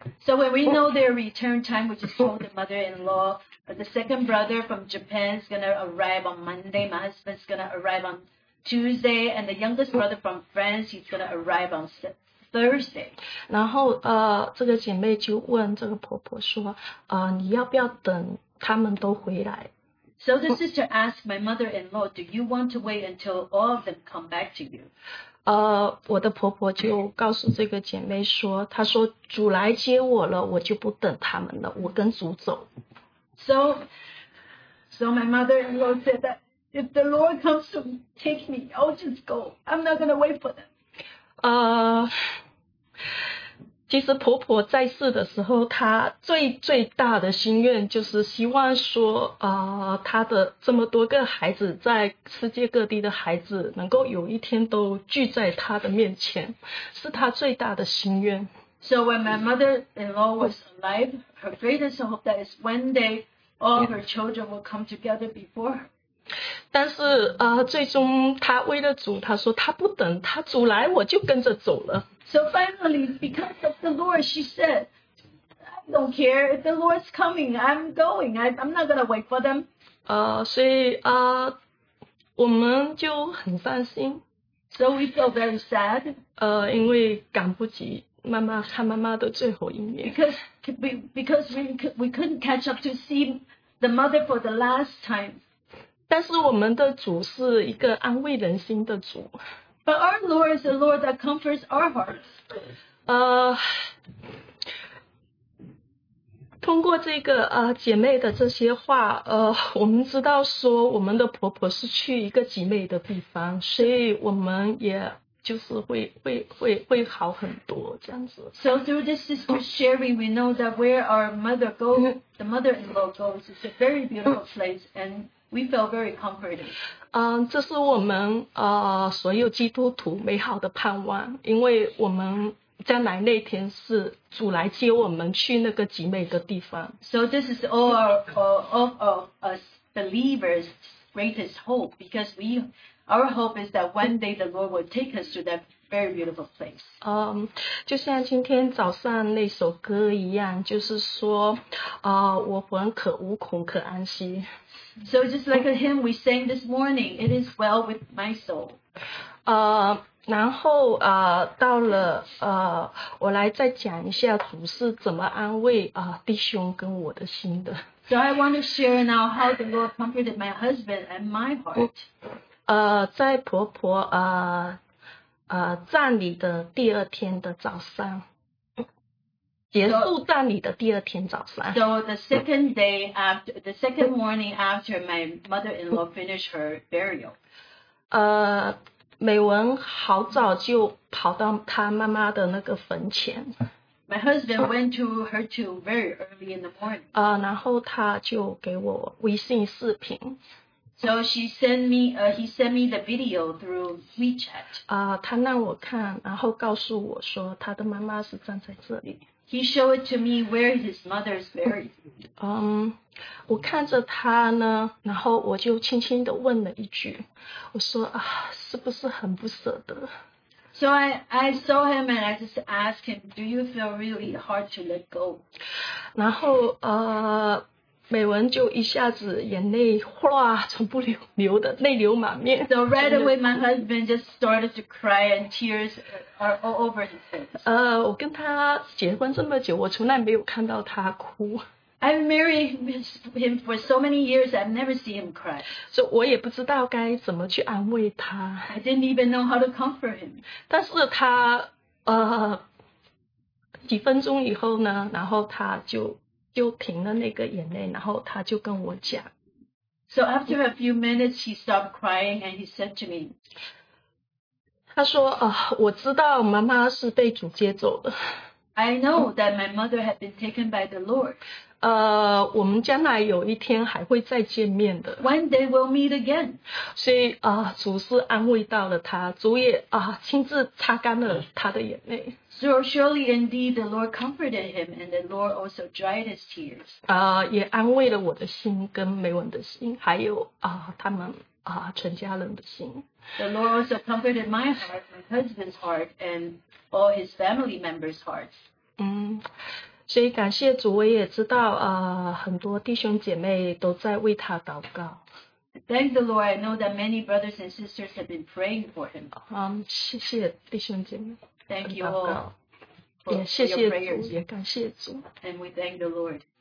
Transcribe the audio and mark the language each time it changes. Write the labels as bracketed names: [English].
[English] So when we know their return time, we just told the mother-in-law, the second brother from Japan is going to arrive on Monday, my husband is going to arrive on Tuesday, and the youngest brother from France, he's going to arrive on Thursday. [Chinese] 然后这个姐妹就问这个婆婆说，你要不要等他们都回来。 [English] So the sister asked my mother-in-law, do you want to wait until all of them come back to you? [Chinese] 我的婆婆就告诉这个姐妹说，她说主来接我了，我就不等他们了，我跟主走。 [English] So my mother-in-law said that if the Lord comes to take me, I'll just go. I'm not going to wait for them. [Chinese] 其实婆婆在世的时候，她最最大的心愿就是希望说，她的这么多个孩子，在世界各地的孩子，能够有一天都聚在她的面前，是她最大的心愿。 [English] So when my mother-in-law was alive, her greatest hope that is one day all her children will come together before her. [Chinese] 但是最终他为了主，他说他不等，他主来我就跟着走了。 [English] So finally, because of the Lord, she said, I don't care if the Lord's coming, I'm going, I'm not going to wait for them. [Chinese] 所以我们就很伤心。 [English] So we feel very sad. [Chinese] 因为赶不及妈妈看妈妈的最后一面。 [English] Because we couldn't catch up to see the mother for the last time. [Chinese] 但是我们的主是一个安慰人心的主。 [English] But our Lord is the Lord that comforts our hearts. [Chinese] 通过这个姐妹的这些话，我们知道说我们的婆婆是去一个极美的地方，所以我们也就是会好很多这样子。 [English] So through this sister sharing, we know that where our mother goes, the mother-in-law goes, is a very beautiful place and. We felt very comforted. [Chinese] 这是我们所有基督徒美好的盼望，因为我们将来那天是主来接我们去那个极美的地方。 [English] So this is all of us believers' greatest hope, because our hope is that one day the Lord will take us to that very beautiful place. [Chinese] 就像今天早上那首歌一样，就是说，我魂可无恐，可安息。 [English] So just like a hymn we sang this morning, it is well with my soul. [Chinese] 然后到了我来再讲一下主是怎么安慰弟兄跟我的心的。 [English] So I want to share now how the Lord comforted my husband and my heart. [Chinese] 在婆婆葬礼的第二天的早上。结束葬礼的第二天早上。 [English] So the second day after, the second morning after my mother-in-law finished her burial. [Chinese] 美文好早就跑到她妈妈的那个坟前。 [English] My husband went to her tomb very early in the morning. [Chinese] 然后他就给我微信视频。 [English] So she sent me, he sent me the video through WeChat. [Chinese] 他让我看，然后告诉我说他的妈妈是葬在这里。 [English] He showed it to me where his mother is buried. [Chinese] 我看着他呢，然后我就轻轻地问了一句，我说啊，是不是很不舍得？ [English] So I saw him and I just asked him, do you feel really hard to let go? [Chinese] 然后美文就一下子眼泪哗从不流的泪流满面。 [English] So right away my husband just started to cry and tears are all over his face. [Chinese] 我跟他结婚这么久，我从来没有看到他哭。 [English] I've married him for so many years, I've never seen him cry. [Chinese] So 我也不知道该怎么去安慰他。 [English] I didn't even know how to comfort him. [Chinese] 但是他几分钟以后呢，然后他就停了那个眼泪，然后他就跟我讲。 [English] So after a few minutes, he stopped crying and he said to me, [Chinese] 他说, 我知道妈妈是被主接走的。 [English] I know that my mother had been taken by the Lord. [Chinese] 我们将来有一天还会再见面的。 [English] One day we'll meet again. [Chinese] 所以, 主是安慰到了他, 主也, 亲自擦干了他的眼泪。 [English] So surely indeed the Lord comforted him and the Lord also dried his tears. [Chinese] 也安慰了我的心跟梅文的心, 还有, 他们, 全家人的心。 [English] The Lord also comforted my heart, my husband's heart, and all his family members' hearts. [Chinese] 所以感谢主，我也知道， 很多弟兄姐妹都在为他祷告。 [English] Thank the Lord, I know that many brothers and sisters have been praying for him. [Chinese] 谢谢弟兄姐妹。 [English] Thank you all. [Chinese] 也谢谢主，也感谢主。 [English] And we thank the Lord.